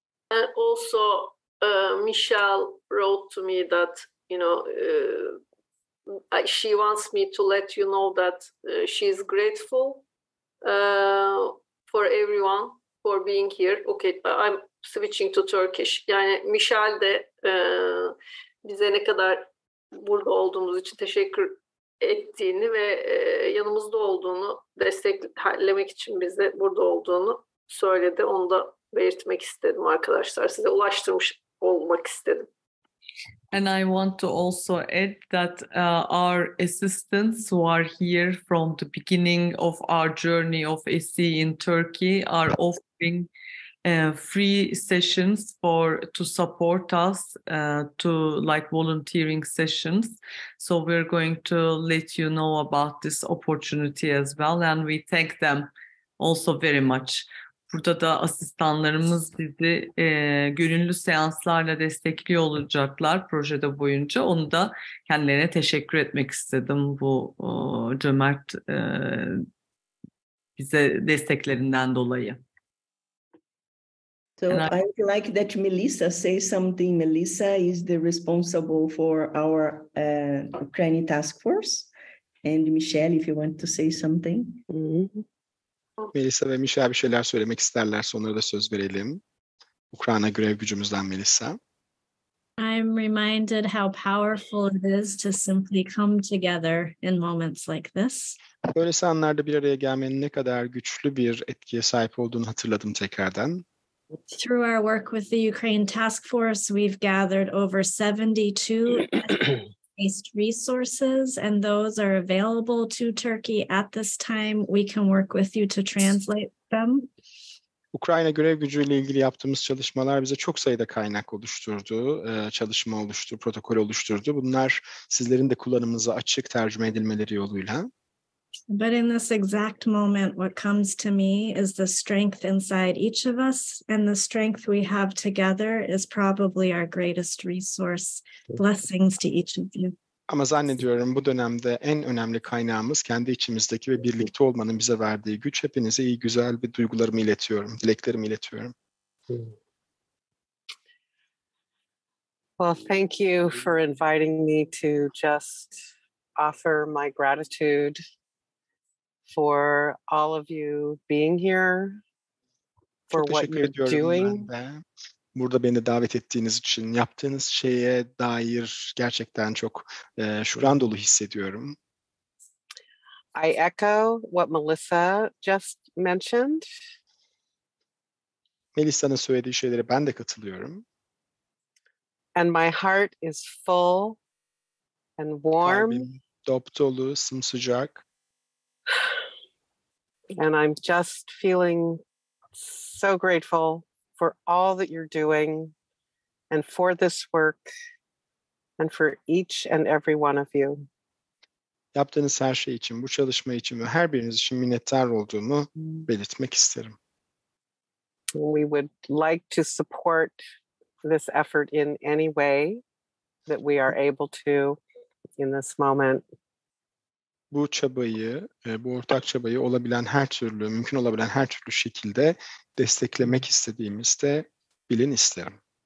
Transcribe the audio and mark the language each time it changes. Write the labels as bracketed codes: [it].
[en] And also, Michelle wrote to me that, you know, she wants me to let you know that she is grateful for everyone for being here. Okay, I'm switching to Turkish. [tr] Yani Michel de bize ne kadar burada olduğumuz için teşekkür ettiğini ve yanımızda olduğunu, desteklemek için bize burada olduğunu söyledi. Onu da belirtmek istedim arkadaşlar. Size ulaştırmış olmak istedim. [en] And I want to also add that our assistants who are here from the beginning of our journey of SE in Turkey are offering free sessions to support us, to like volunteering sessions. So we're going to let you know about this opportunity as well. And we thank them also very much. [tr] Burada da asistanlarımız bizi gönüllü seanslarla destekliyor olacaklar projede boyunca. Onu da kendilerine teşekkür etmek istedim bu cömert bize desteklerinden dolayı. [en] So I'd like that Melissa say something. Melissa is the responsible for our Ukraine task force. And Michel, if you want to say something. Mm-hmm. [tr] Melissa ve Michel bir şeyler söylemek isterlerse onlara da söz verelim. Ukrayna görev gücümüzden Melissa. [en] I'm reminded how powerful it is to simply come together in moments like this. [tr] Böyle anlarda bir araya gelmenin ne kadar güçlü bir etkiye sahip olduğunu hatırladım tekrardan. [en] Through our work with the Ukraine Task Force, we've gathered over 72 based resources, and those are available to Turkey at this time. We can work with you to translate them. [tr] Ukrayna görev gücüyle ilgili yaptığımız çalışmalar bize çok sayıda kaynak oluşturdu, çalışma oluşturdu, protokol oluşturdu. Bunlar sizlerin de kullanımınıza açık tercüme edilmeleri yoluyla. [en] But in this exact moment, what comes to me is the strength inside each of us, and the strength we have together is probably our greatest resource. Blessings to each of you. [tr] Ama zannediyorum bu dönemde en önemli kaynağımız kendi içimizdeki ve birlikte olmanın bize verdiği güç. Hepinize iyi, güzel bir duygularımı iletiyorum, dileklerimi iletiyorum. [en] Well, thank you for inviting me to just offer my gratitude for all of you being here, for what you're doing. [tr] Burada beni davet ettiğiniz için, yaptığınız şeye dair gerçekten çok şükran dolu hissediyorum. [en] I echo what Melissa just mentioned. [tr] Melissa'nın söylediği şeylere ben de katılıyorum. [en] And my heart is full and warm. [tr] Kalbim dopdolu, sımsıcak. [en] And I'm just feeling so grateful for all that you're doing and for this work and for each and every one of you. [tr] Yaptığınız her şey için, bu çalışma için ve her biriniz için minnettar olduğumu belirtmek isterim. [en] We would like to support this effort in any way that we are able to in this moment. [tr] Bu çabayı, bu ortak çabayı olabilen her türlü, mümkün olabilen her türlü şekilde desteklemek istediğimizde bilin isterim.